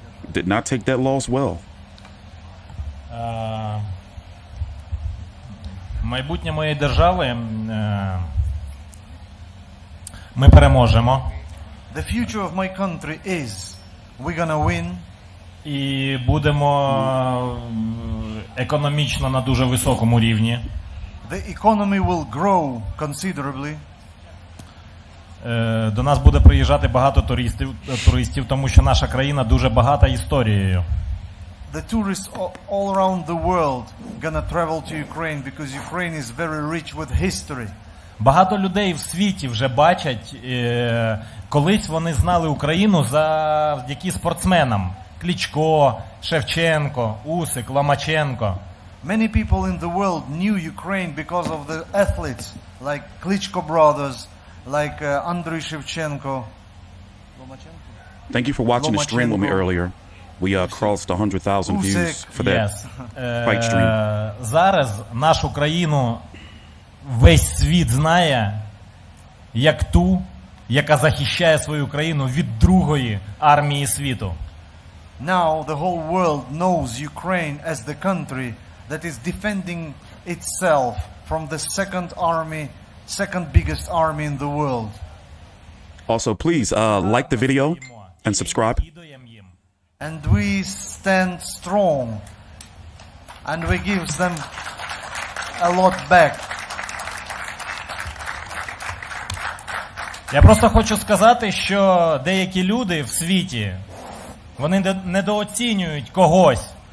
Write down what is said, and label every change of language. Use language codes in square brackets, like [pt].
[en] Did not take that loss well. [uk] Майбутнє моєї держави. Ми переможемо. [en] The future of my country is we're gonna win. [uk] І будемо економічно на дуже високому рівні. [en] The economy will grow considerably. [uk] До нас буде приїжджати багато туристів, тому що наша країна дуже багата історією. [en] The tourists all around the world gonna travel to Ukraine because Ukraine is very rich with history. [uk] Багато людей в світі вже бачать, колись вони знали Україну завдяки спортсменам: Кличко, Шевченко, Усик, Ломаченко. [en] Many people in the world knew Ukraine because of the athletes like Klitschko brothers, like Andriy Shevchenko. Thank you for watching the stream with me earlier. We crossed 100,000 views for that fight stream. [uk] Зараз нашу країну весь світ знає як ту, яка захищає свою країну від другої армії світу. [en] Now the whole world knows Ukraine as the country that is defending itself from the second army, second biggest army in the world. Also, please like the video and subscribe. And we stand strong and we give them a lot back. [uk] Я просто хочу сказати, що деякі люди в світі, вони недооцінюють когось.